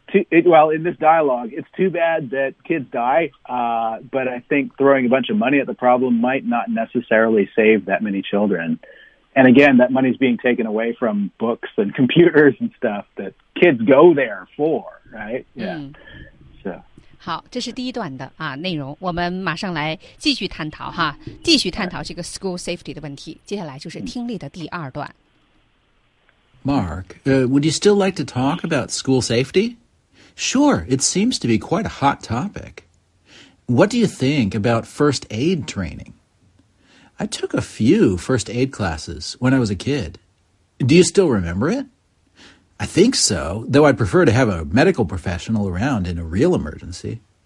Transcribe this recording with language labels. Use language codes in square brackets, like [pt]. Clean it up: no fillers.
[en] In this dialogue, it's too bad that kids die. But I think throwing a bunch of money at the problem might not necessarily save that many children. And again, that money's being taken away from books and computers and stuff that kids go there for, right? Yeah. So. [zh] 好，这是第一段的啊内容。我们马上来继续探讨哈，继续探讨这个 school safety 的问题。接下来就是听力的第二段。 [en] Mark, would you still like to talk about school safety? Sure, it seems to be quite a hot topic. What do you think about first aid training? I took a few first aid classes when I was a kid. Do you still remember it? I think so, though I'd prefer to have a medical professional around in a real emergency.